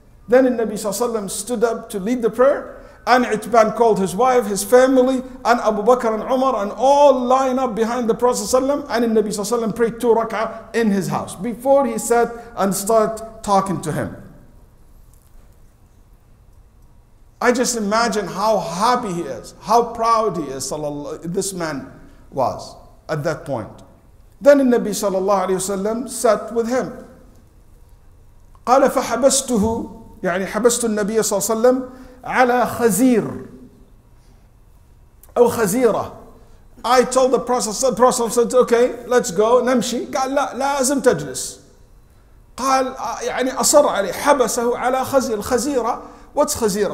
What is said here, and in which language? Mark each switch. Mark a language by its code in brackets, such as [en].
[en] Then Nabi ﷺ stood up to lead the prayer. And Itban called his wife, his family, and Abu Bakr and Umar, and all line up behind the Prophet ﷺ, and the Nabi Sallallahu Alaihi Wasallam prayed two rak'ah in his house before he sat and start talking to him. I just imagine how happy he is, how proud he is, this man was at that point. Then the Nabi Sallallahu Alaihi Wasallam sat with him. [ar] قَالَ فَحَبَسْتُهُ يعني حَبَسْتُ النَّبِيَّ صَلَّى اللَّهُ عَلَيْهِ وَسَلَّمَ على خزير أو خزيرة. [en] I told the Prophet, said, okay, let's go, [ar] نمشي. قال لا, لازم تجلس. قال يعني أصر عليه, حبسه على خزير. خزيرة, [en] what's [ar] خزيرة?